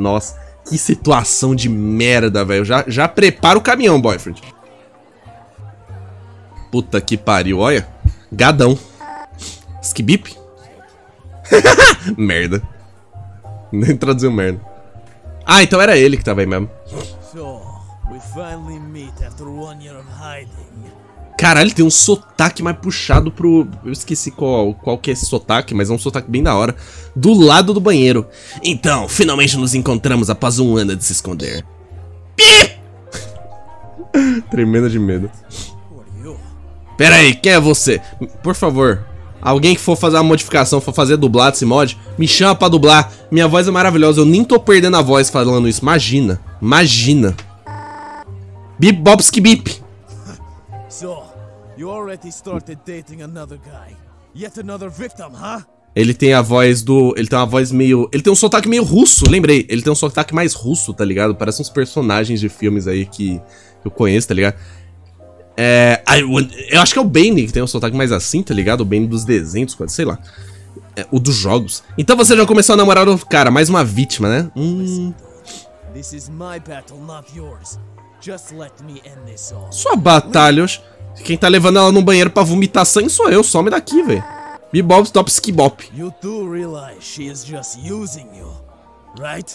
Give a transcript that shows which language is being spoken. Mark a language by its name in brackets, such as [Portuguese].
[Portuguese] Nossa, que situação de merda, velho. Já prepara o caminhão, boyfriend. Puta que pariu, olha. Gadão. Skibip? Merda. Nem traduziu merda. Ah, então era ele que tava aí mesmo. [English] So, we finally meet after 1 year of hiding. [Portuguese] Caralho, tem um sotaque mais puxado pro... Eu esqueci qual que é esse sotaque, mas é um sotaque bem da hora. Do lado do banheiro. Então, finalmente nos encontramos após 1 ano de se esconder. Tremendo de medo. Pera aí, quem é você? Por favor, alguém que for fazer uma modificação, for fazer dublado esse mod, me chama pra dublar. Minha voz é maravilhosa, eu nem tô perdendo a voz falando isso. Imagina, imagina. Bip, bobski, bip. [English] So, you already started dating another guy. Yet another victim, huh? [Portuguese] Ele tem a voz do... Ele tem uma voz meio... Ele tem um sotaque meio russo, lembrei. Ele tem um sotaque mais russo, tá ligado? Parece uns personagens de filmes aí que eu conheço, tá ligado? É... Eu acho que é o Bane que tem um sotaque mais assim, tá ligado? O Bane dos desenhos, quase, sei lá. É, o dos jogos. Então você já começou a namorar o cara, mais uma vítima, né? [English] This is my battle, not yours. Just let me end this all. [Portuguese] Sua batalha, oxe. Quem tá levando ela no banheiro pra vomitar sangue sou eu. Some daqui, velho. Bebop, stop, skibop. [English] You do realize she is just using you, right?